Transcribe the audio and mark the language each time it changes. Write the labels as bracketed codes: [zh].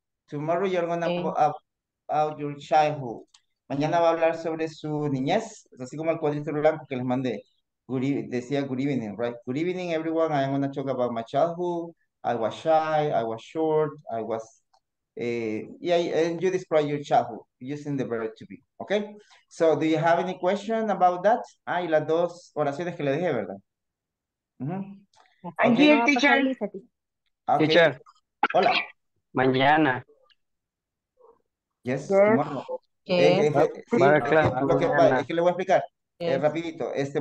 [en] Tomorrow you're going to talk about your childhood. [es] Mañana va a hablar sobre su niñez, así como el cuadrito blanco que les mandé. [en] Decía good evening, right? Good evening, everyone. I am going to talk about my childhood. I was shy. I was short. I was... and you describe your childhood using the verb to be. Okay? So, do you have any question about that? [es] Ah, y las dos oraciones que le dije, ¿verdad? [en] Mm-hmm. Okay. I'm here, teacher. Okay. Teacher. [es] Hola. Mañana. [en] Yes, tomorrow. [es] Es que le voy a explicar rapidito.